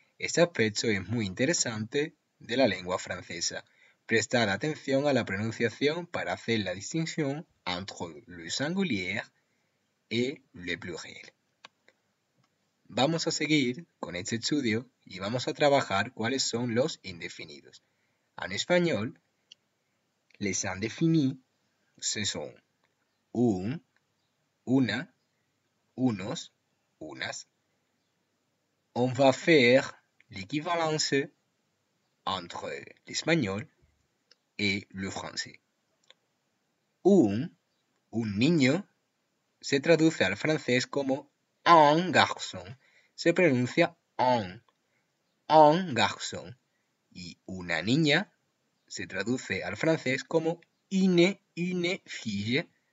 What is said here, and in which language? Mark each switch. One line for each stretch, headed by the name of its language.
Spanish: Este aspecto es muy interesante de la lengua francesa. Prestad atención a la pronunciación para hacer la distinción entre le singulier y le pluriel. Vamos a seguir con este estudio y vamos a trabajar cuáles son los indefinidos. En español,
French: les indéfinis, ce sont un,
Spanish: una, unos, unas.
French: On va faire l'équivalence entre l'espagnol et le français.
Spanish: Un niño se traduce al francés como
French: un garçon.
Spanish: Se pronuncia
French: un garçon.
Spanish: Y una niña se traduce al francés como
French: une fille.